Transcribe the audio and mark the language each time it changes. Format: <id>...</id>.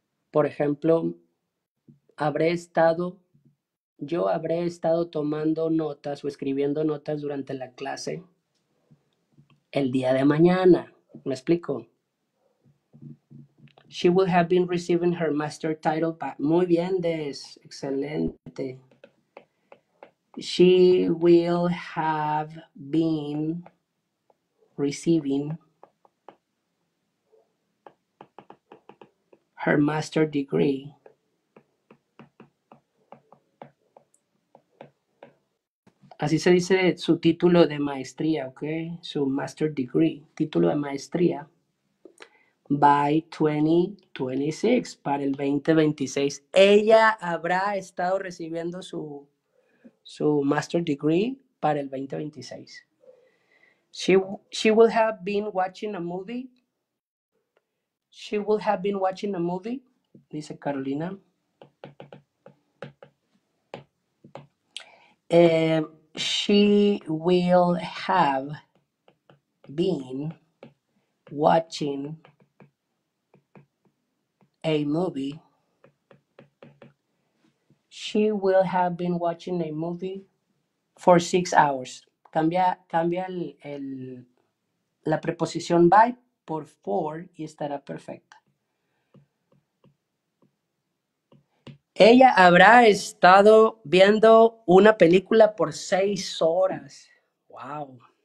<es>Por ejemplo, yo habré estado tomando notas o escribiendo notas durante la clase el día de mañana. ¿Me explico?</es> <en>She would have been receiving her master title.</en> <es>Muy bien,</es> <en>Des.</en> <es>Excelente.</es> <en>She will have been receiving her master degree.</en> <es>Así se dice su título de maestría, ¿ok? Su master degree, título de maestría.</es> <en>By 2026,</en> <es>para el 2026. Ella habrá estado recibiendo su master degree para el 2026.</es> <en>She will have been watching a movie. She will have been watching a movie,</en> <es>dice Carolina.</es> <en>She will have been watching a movie. She will have been watching a movie for 6 hours.</en> <es>Cambia la preposición by por for y estará perfecta. Ella habrá estado viendo una película por 6 horas. Wow.</es>